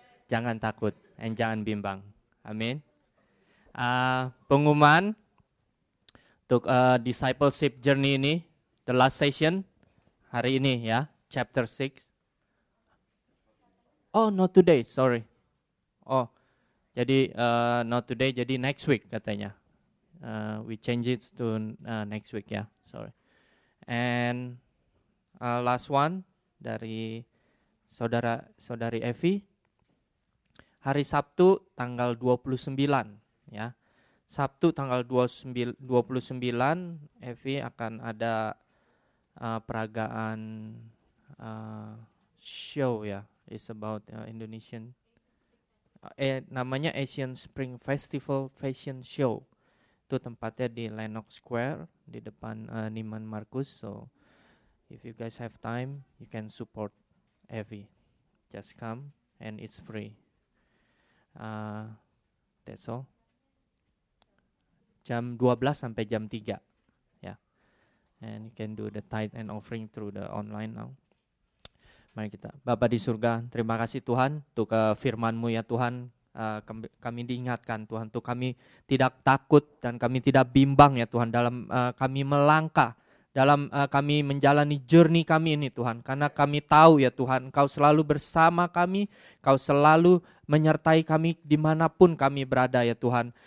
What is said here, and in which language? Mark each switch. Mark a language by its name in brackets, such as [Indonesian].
[Indonesian] Jangan takut and jangan bimbang. Amin. Pengumuman untuk discipleship journey ini, [English] the last session [Indonesian] hari ini ya, chapter 6. [English] Oh, not today, sorry. Oh, jadi not today, jadi next week katanya. We change it to next week, yeah, sorry. And last one [Indonesian] dari saudari [English] Evi. [Indonesian] Hari Sabtu tanggal 29, ya. Yeah. Sabtu tanggal 29, Evi akan ada peragaan show, ya. Yeah. [English] It's about Indonesian, [Indonesian] namanya [English] Asian Spring Festival Fashion Show. [Indonesian] Itu tempatnya di Lenox Square, di depan Neiman Marcus. [English] So, if you guys have time, you can support Evie. Just come, and it's free. That's all. [Indonesian] Jam 12 sampai jam 3. Yeah. [English] And you can do the tithe and offering through the online now. [Indonesian] Mari kita, Bapa di surga, terima kasih Tuhan untuk firman-Mu ya Tuhan, kami diingatkan Tuhan, untuk kami tidak takut dan kami tidak bimbang ya Tuhan, dalam kami melangkah, dalam kami menjalani journey kami ini Tuhan, karena kami tahu ya Tuhan, Kau selalu bersama kami, Kau selalu menyertai kami dimanapun kami berada ya Tuhan.